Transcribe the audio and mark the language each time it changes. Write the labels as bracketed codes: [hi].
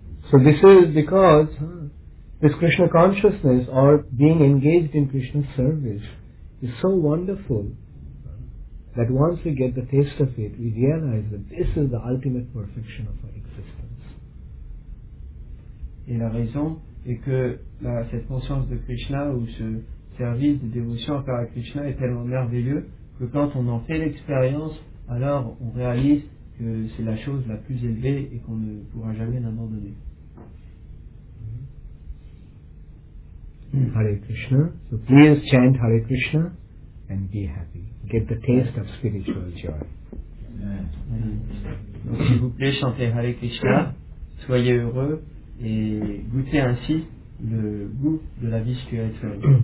[en] So this is because this Krishna consciousness or being engaged in Krishna service is so wonderful that once we get the taste of it, we realize that this is the ultimate perfection of our existence. [fr] Et la raison est que cette conscience de Krishna ou ce service de dévotion à Krishna est tellement merveilleux que quand on en fait l'expérience, alors on réalise que c'est la chose la plus élevée et qu'on ne pourra jamais l'abandonner. [en] Hare Krishna. So please chant Hare Krishna and be happy. Get the taste of spiritual joy. Mm. [fr] Donc, s'il vous plaît, chantez Hare Krishna, soyez heureux et goûtez ainsi le goût de la vie spirituelle.